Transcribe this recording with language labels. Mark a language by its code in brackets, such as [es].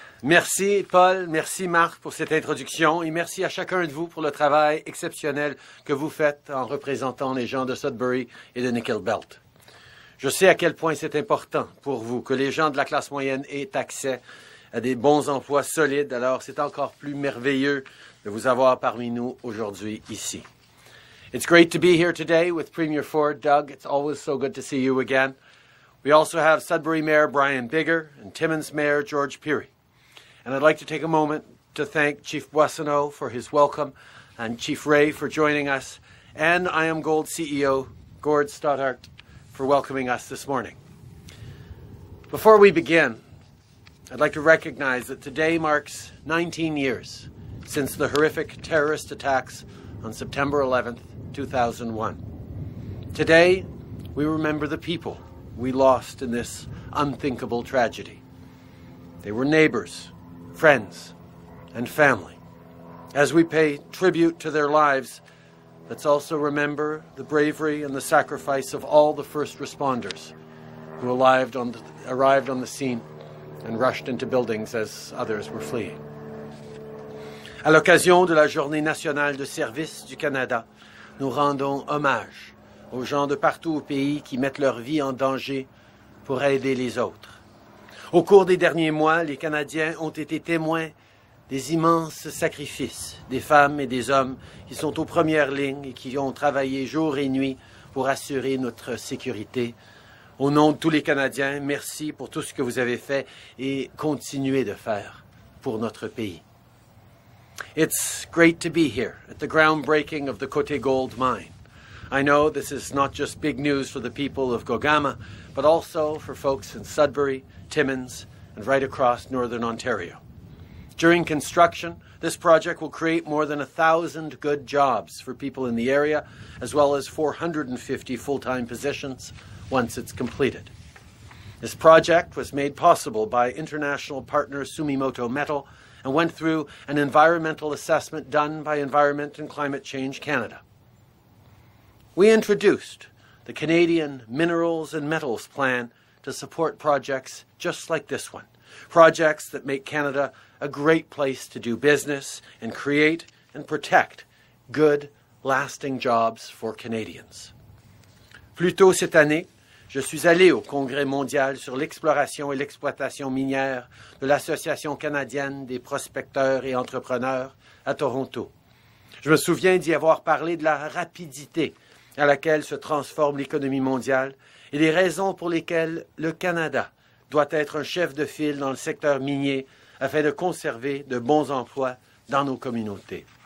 [fr] Merci Paul, merci Marc pour cette introduction et merci à chacun de vous pour le travail exceptionnel que vous faites en représentant les gens de Sudbury et de Nickel Belt. Je sais à quel point c'est important pour vous que les gens de la classe moyenne aient accès à des bons emplois solides, alors c'est encore plus merveilleux de vous avoir parmi nous aujourd'hui ici. [en] It's great to be here today with Premier Ford. Doug, it's always so good to see you again. We also have Sudbury Mayor Brian Bigger and Timmins Mayor George Peary. And I'd like to take a moment to thank Chief Boissonneau for his welcome and Chief Ray for joining us and IAMGOLD CEO Gord Stoddart for welcoming us this morning. Before we begin, I'd like to recognize that today marks 19 years since the horrific terrorist attacks on September 11th, 2001. Today, we remember the people we lost in this unthinkable tragedy. They were neighbors, friends, and family. As we pay tribute to their lives, let's also remember the bravery and the sacrifice of all the first responders who arrived on the scene and rushed into buildings as others were fleeing. [fr] À l'occasion de la Journée nationale de service du Canada, nous rendons hommage aux gens de partout au pays qui mettent leur vie en danger pour aider les autres. Au cours des derniers mois, les Canadiens ont été témoins des immenses sacrifices des femmes et des hommes qui sont aux premières lignes et qui ont travaillé jour et nuit pour assurer notre sécurité. Au nom de tous les Canadiens, merci pour tout ce que vous avez fait et continuez de faire pour notre pays. [en] It's great to be here at the groundbreaking of the Côté gold mine. I know this is not just big news for the people of Gogama, but also for folks in Sudbury, Timmins, and right across Northern Ontario. During construction, this project will create more than 1,000 good jobs for people in the area, as well as 450 full-time positions once it's completed. This project was made possible by international partner Sumimoto Metal and went through an environmental assessment done by Environment and Climate Change Canada. We introduced the Canadian Minerals and Metals Plan to support projects just like this one, projects that make Canada a great place to do business and create and protect good, lasting jobs for Canadians. [fr] Plus tôt cette année, je suis allé au Congrès mondial sur l'exploration et l'exploitation minière de l'Association canadienne des prospecteurs et entrepreneurs à Toronto. Je me souviens d'y avoir parlé de la rapidité à laquelle se transforme l'économie mondiale et des raisons pour lesquelles le Canada doit être un chef de file dans le secteur minier afin de conserver de bons emplois dans nos communautés.